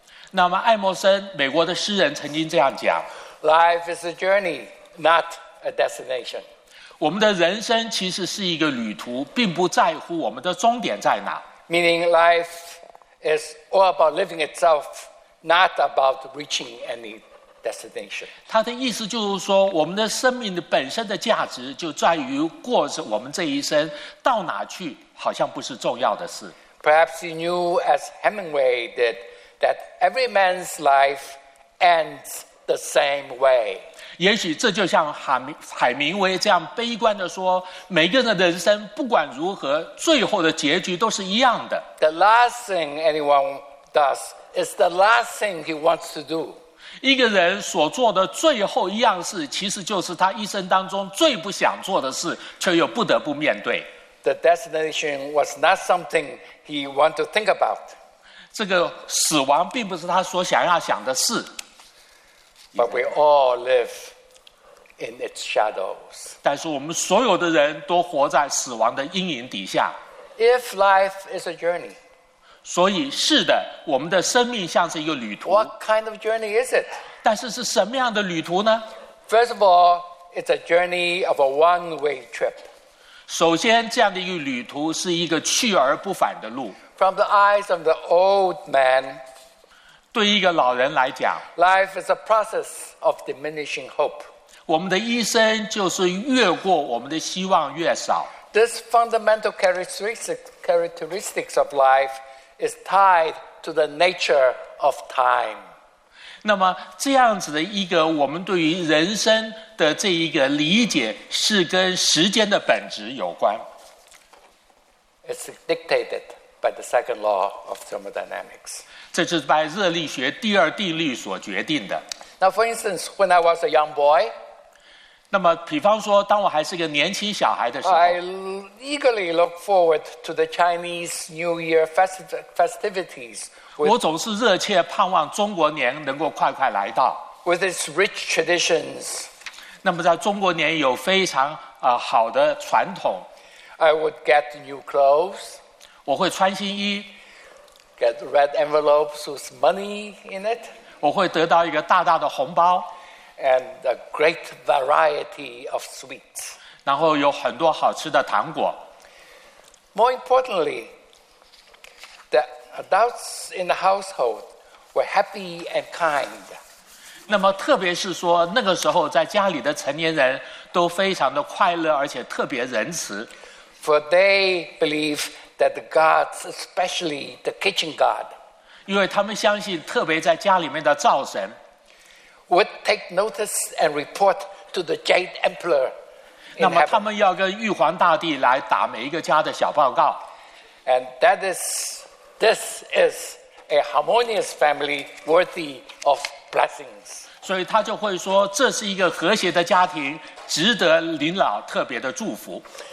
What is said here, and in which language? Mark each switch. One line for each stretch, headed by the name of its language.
Chinese: 那么艾默生美国的诗人曾经这样讲，
English: Life is a journey, not a destination.
Chinese: 我们的人生其实是一个旅途，并不在乎我们的终点在哪。
English: Meaning life is all about living itself, not about reaching any destination.
Chinese: 他的意思就是说，我们的生命的本身的价值就在于过着我们这一生，到哪去好像不是重要的事。
English: Perhaps he knew, as Hemingway did, that every man's life ends the same way.
Chinese: 也许这就像海明威这样悲观地说，每个人的人生不管如何，最后的结局都是一样的。
English: The last thing anyone does is the last thing he wants to do.
Chinese: 一个人所做的最后一样事，其实就是他一生当中最不想做的事，却又不得不面对。
English: The destination was not something he wanted to think about.
Chinese: 这个死亡并不是他所想要想的事。
English: But we all live in its shadows.
Chinese: 但是我们所有的人都活在死亡的阴影底下。
English: If life is a journey,
Chinese: 所以是的，我们的生命像是一个旅途。
English: What kind of journey is it?
Chinese: 但是是什么样的旅途呢？
English: First of all, it's a journey of a one-way trip.
Chinese: 首先，这样的一个旅途是一个去而不返的路。
English: From the eyes of the old man,
Chinese: 对一个老人来讲，
English: life is a process of diminishing hope.
Chinese: 我们的一生就是越过我们的希望越少。
English: This fundamental characteristics of life is tied to the nature of time.
Chinese: 那么这样子的一个我们对于人生的这一个理解是跟时间的本质有关。
English: It's dictated by the second law of thermodynamics.
Chinese: 这是by热力学第二定律所决定的。
English: Now for instance, when I was a young boy,
Chinese: 那么比方说当我还是个年轻小孩的时候，
English: I eagerly look forward to the Chinese New Year festivities.
Chinese: 我总是热切盼望中国年能够快快来到。
English: With its rich traditions,
Chinese: 那么在中国年有非常好的传统。
English: I would get new clothes.
Chinese: 我会穿新衣。
English: Get red envelopes with money in it.
Chinese: 我会得到一个大大的红包。
English: And a great variety of sweets.
Chinese: 然后有很多好吃的糖果。
English: More importantly,Adults in the household were happy and kind.
Chinese: 那么特别是说那个时候在家里的成年人都非常的快乐而且特别仁慈。
English: For they believe that the gods, especially the kitchen god,
Chinese: 因为他们相信特别在家里面的灶神
English: would take notice and report to the Jade Emperor.
Chinese: 那么他们要跟玉皇大帝来打每一个家的小报告。
English: And that isThis is a harmonious family worthy of blessings.
Chinese: 所以他就会说，这是一个和谐的家庭，值得您老特别的祝福。